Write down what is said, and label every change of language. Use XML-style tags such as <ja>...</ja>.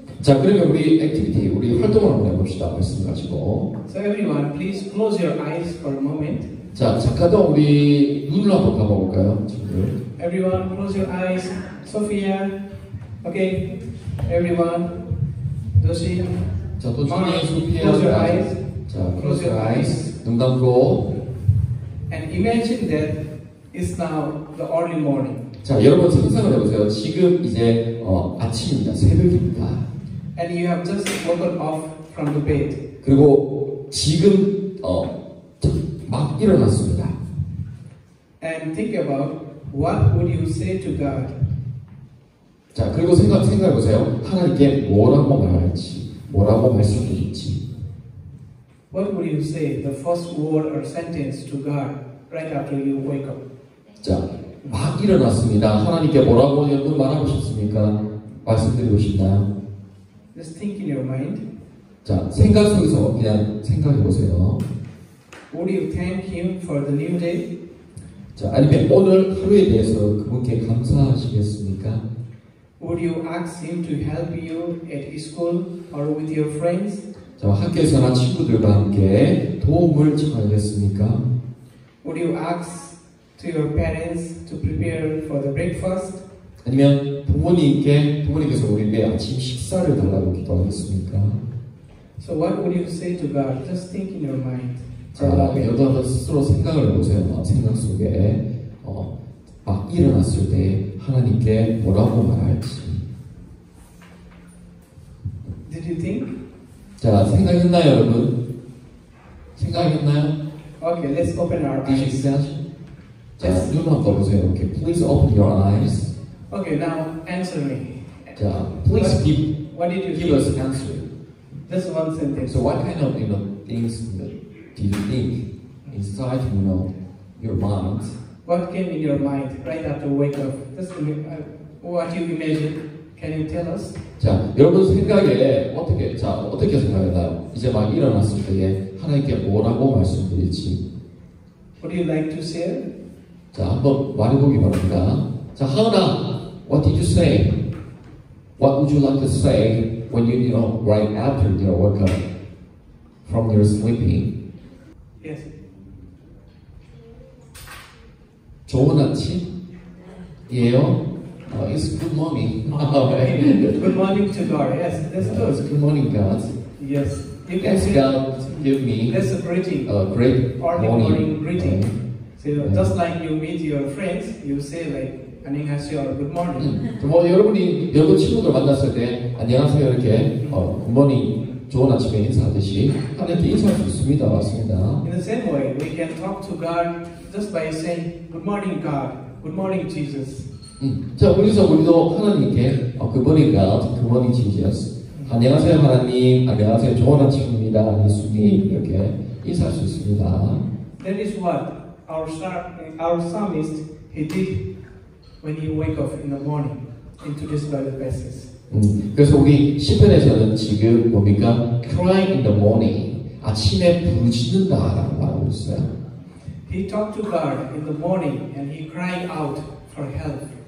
<ko>자, 그러면 우리 액티비티, 우리 활동을 한번 해봅시다. 말씀 가지고.</ko> <en>So everyone, please close your eyes for a moment.</en> <ko>자, 잠깐 우리 눈을 한번 감아볼까요? 지금.</ko> <en>Everyone, close your eyes. Sophia. Okay. Everyone. Doshi.</en> <ko>자, 또 조니, 소피아.</ko> <en>Close your eyes.</en> <ko>자,</ko> <en>close your eyes.</en> <ko>눈 감고.</ko> <en>And imagine that it's now the early morning.</en> <ko>자, 여러분 상상을 해보세요. 지금 이제 아침입니다. 새벽입니다.</ko> <en>And you have just woken up from the bed.</en> <ko>그리고 지금 막 일어났습니다.</ko> <en>And think about what would you say to God?</en> <ko>자, 그리고 생각해 보세요. 하나님께 뭐라고 말할지, 뭐라고 말씀드릴지.</ko> <en>What would you say the first word or sentence to God right after you wake up?</en> <ko>자, 막 일어났습니다. 하나님께 뭐라고 여러분 말하고 싶습니까? 말씀드리고 싶나요?</ko> <en>Just think in your mind.</en> <ko>자, 생각 속에서 그냥 생각해 보세요.</ko> <en>Would you thank him for the new day?</en> <ko>자, 아니면 오늘 하루에 대해서 그분께 감사하시겠습니까?</ko> <en>Would you ask him to help you at school or with your friends?</en> <ko>자, 학교에서나 친구들과 함께 도움을 청하겠습니까?</ko> <en>Would you ask to your parents to prepare for the breakfast?</en> <ko>아니면 부모님께서 우리에게 아침 식사를 달라고 기도하겠습니까?</ko> <en>So what would you say to God? Just think in your mind.</en> <ko>자, 여러분 스스로 생각을 해보세요. 생각 속에 막 일어났을 때 하나님께 뭐라고 말할지.</ko> <en>Did you think?</en> <ko>자, 생각했나요, 여러분? 생각했나요?</ko> <en>Okay, let's open our eyes.</en> <ko>자, 눈 한번 보세요.</ko> <en>Okay, please open your eyes. Okay, now answer me. 자, please give. What did you give us an answer? Just one sentence. So, what kind of things do you think inside your mind? What came in your mind right after wake up? Just what you imagine? Can you tell us?</en> <ko>자, 여러분 생각에 어떻게 생각해요? 이제 막 일어났을 때에 하나님께 뭐라고 말씀드릴지.</ko> <en>What do you like to say?</en> <ko>자, 한번 말해보기 바랍니다.</ko> <en>자, 하은아, what did you say? What would you like to say when you, you know, right after your wake up from your sleeping? Yes.</en> <ko>좋은 아침이에요?</ko> <en>It's good morning. Good morning to God, yes. That's good. It's good morning, God. Yes. You can ask God to give me a greeting. A great early morning greeting. So just like you meet your friends, you say like, 안녕하세요. Good morning.</en> <ko>뭐 여러분이 여러분 친구들 만났을 때 안녕하세요 이렇게</ko> <en>Good morning.</en> <ko>좋은 아침에 인사하듯이 하나님께 인사할 수 있습니다. 맞습니다.</ko> <en>In the same way, we can talk to God just by saying Good morning, God. Good morning, Jesus.</en> <ko>자, 그래서 우리도 하나님께</ko> <en>Good morning, God. Good morning, Jesus.</en> <ko>안녕하세요, 하나님. 안녕하세요. 좋은 아침입니다. 예수님 이렇게 인사할 수 있습니다.</ko> <en>That is what our psalmist he did. When you wake up in the morning, introduced by the verses.</en> <ko>그래서 우리 시편에서는 지금 뭡니까?</ko> <en>Crying in the morning,</en> <ko>아침에 부르짖는다라고 말하고 있어요.</ko> <en>He talked to God in the morning and he cried out for help.</en>